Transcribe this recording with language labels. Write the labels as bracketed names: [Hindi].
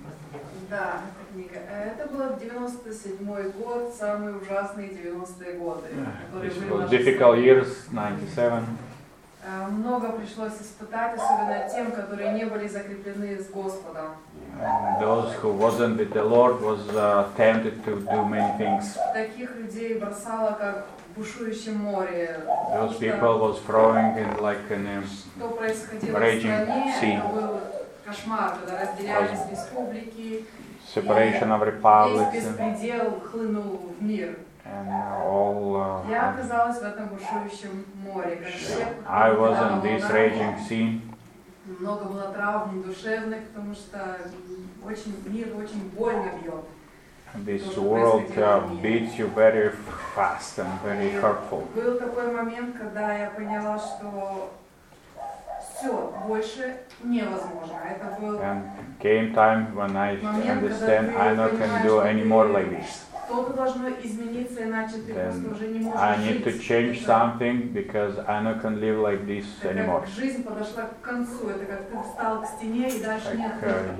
[Russian] Это было в 97-й год, самые ужасные 90-е годы. [English] Difficult years, 97. [Russian] Много пришлось испытать, особенно тем, которые не были закреплены с Господом. [English] Those who wasn't with the Lord was tempted to do many things. [Russian] Таких людей бросало как бушующее море. [English] Those people was throwing in like an raging sea. [Russian] Кошмар, когда разделялись республики. [English] Separation of republics and all I was in this raging sea. [Russian] Много было травм душевных, потому что мир очень больно бьет. [English] This world beats you very fast and very hurtful. [Russian] Был такой момент, когда я поняла, что все больше невозможно. Это был [English] Came time when I understand I not can do anymore like this. Then I need to change something because I not can live like this anymore. Like,